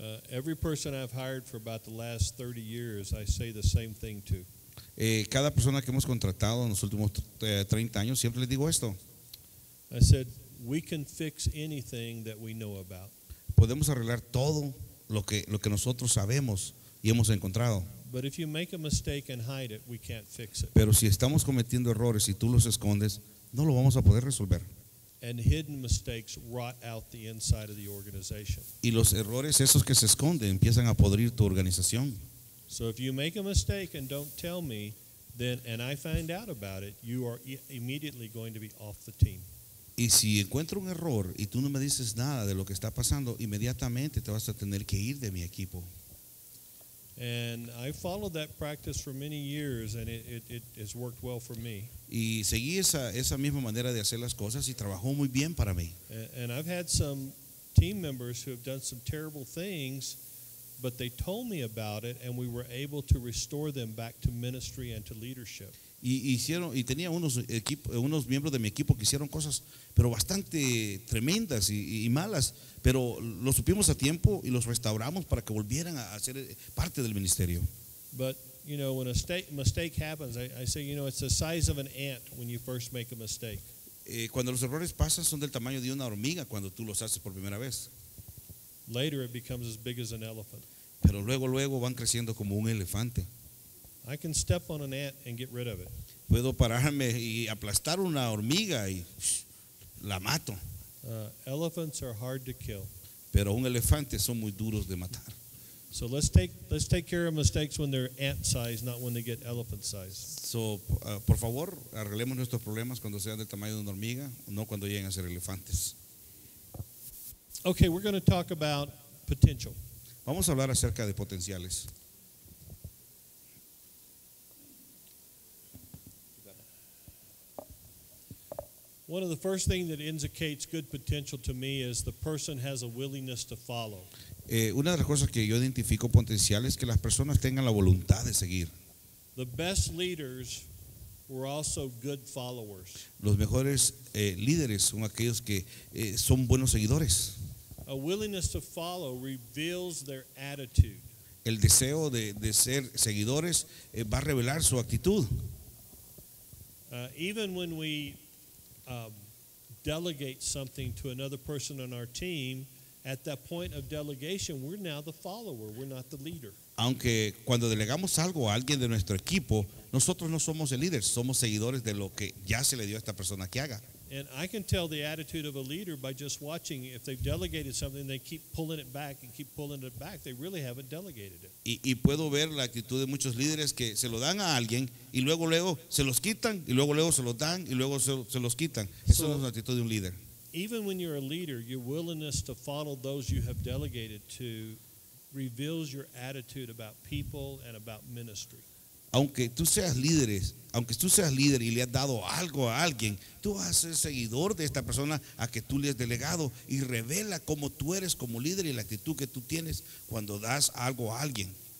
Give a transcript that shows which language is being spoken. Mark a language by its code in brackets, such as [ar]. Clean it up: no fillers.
[en] Every person I've hired for about the last 30 years, I say the same thing to. [es] Cada persona que hemos contratado en los últimos 30 años, siempre les digo esto. [en] I said, we can fix anything that we know about. [es] Podemos arreglar todo lo que nosotros sabemos y hemos encontrado. [en] But if you make a mistake and hide it, we can't fix it. [es] Pero si estamos cometiendo errores y tú los escondes, no lo vamos a poder resolver. [en] And hidden mistakes rot out the inside of the organization. [es] Y los errores esos que se esconden empiezan a podrir tu organización. [en] So if you make a mistake and don't tell me, then and I find out about it, you are immediately going to be off the team. [es] Y si encuentro un error y tú no me dices nada de lo que está pasando, inmediatamente te vas a tener que ir de mi equipo. [en] And I followed that practice for many years, and it has worked well for me. [es] Y seguí esa misma manera de hacer las cosas y trabajó muy bien para mí. [en] And I've had some team members who have done some terrible things, but they told me about it, and we were able to restore them back to ministry and to leadership. [es] Y tenía unos miembros de mi equipo que hicieron cosas pero bastante tremendas y malas, pero lo supimos a tiempo y los restauramos para que volvieran a ser parte del ministerio. [en] But you know, when a mistake happens, I say, you know, it's the size of an ant when you first make a mistake. [es] Cuando los errores pasan son del tamaño de una hormiga cuando tú los haces por primera vez. [en] Later it becomes as big as an elephant. [es] Pero luego van creciendo como un elefante. [en] I can step on an ant and get rid of it. [es] Puedo pararme y aplastar una hormiga y la mato. [en] Elephants are hard to kill. [es] Pero un elefante son muy duros de matar. [en] So let's take care of mistakes when they're ant size, not when they get elephant size. [es] So, por favor, arreglemos nuestros problemas cuando sean del tamaño de una hormiga, no cuando lleguen a ser elefantes. [en] Okay, we're going to talk about potential. [es] Vamos a hablar acerca de potenciales. [en] One of the first things that indicates good potential to me is the person has a willingness to follow. [es] Una de las cosas que yo identifico potencial es que las personas tengan la voluntad de seguir. [en] The best leaders were also good followers. [es] Los mejores líderes son aquellos que son buenos seguidores. [en] A willingness to follow reveals their attitude. [es] El deseo de ser seguidores va a revelar su actitud. [en] Even when we delegate something to another person on our team, at that point of delegation, we're now the follower, we're not the leader. [es] Aunque cuando delegamos algo a alguien de nuestro equipo, nosotros no somos el líder, somos seguidores de lo que ya se le dio a esta persona que haga. [en] And I can tell the attitude of a leader by just watching. If they've delegated something, they keep pulling it back and keep pulling it back. They really haven't delegated it. [es] Y puedo ver la actitud de muchos líderes que se lo dan a alguien y luego luego se los quitan y luego luego se los dan y luego se los quitan. Eso es la actitud de un líder. [en] Even when you're a leader, your willingness to follow those you have delegated to reveals your attitude about people and about ministry. [es] Aunque tú seas líderes, aunque tú seas líder y le has dado algo a alguien, tú vas a ser seguidor de esta persona a que tú le has delegado y revela cómo tú eres como líder y la actitud que tú tienes cuando das algo a alguien.